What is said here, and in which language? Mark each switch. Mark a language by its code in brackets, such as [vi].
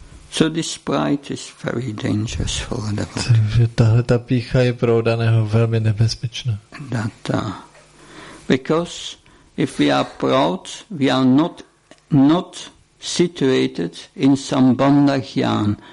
[en] So this pride is very dangerous for the devotee. [cs] Takže tahle ta pícha je pro daného velmi nebezpečná. [en] That, because if we are proud, we are not situated in some bandhagyan.